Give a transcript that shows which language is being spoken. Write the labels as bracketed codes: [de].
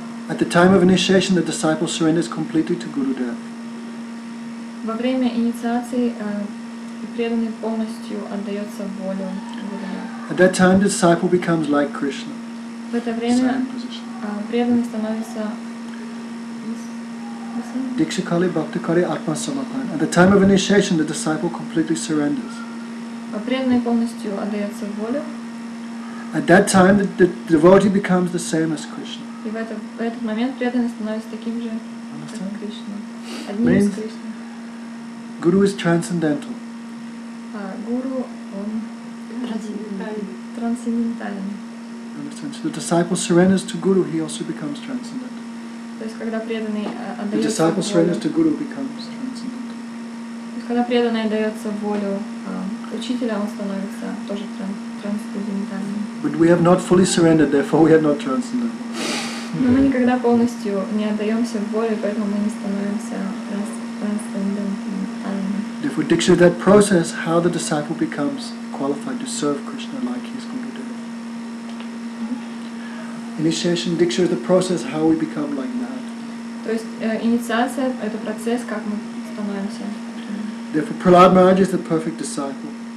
[en] At the time of initiation, the disciple surrenders completely to Gurudev. [ru] Во время инициации преданный полностью отдается воле. [en] At that time, the disciple becomes like Krishna. [ru] В это время преданный становится. [sa] Diksha kali, bhakti kali, atma samapan. [en] At the time of initiation, the disciple completely surrenders. [ru] Преданный полностью отдается воле. [en] At that time, the devotee becomes the same as Krishna. [ru] И в этот момент преданный становится таким же, как Кришна. Одним из Кришна. [en] Guru is transcendental. [ru] Guru, он трансцендентален. [en] Understand? So the disciple surrenders to Guru, he also becomes transcendental. [ru] То есть когда преданный отдаётся воле. [en] The disciple surrenders to Guru, becomes transcendental. [ru] То есть когда преданный отдаётся волю учителя, он становится тоже трансцендентальным. [en] But we have not fully surrendered, therefore we are not transcendental. [ru] Но мы никогда полностью не отдаёмся воле, поэтому мы не становимся трансцендентальными. [en] Therefore, Diksha, that process, how the disciple becomes qualified to serve Krishna like his Gurudev. Initiation, Diksha, is the process how we become like that. Therefore, Prahlad Maharaj is the perfect disciple.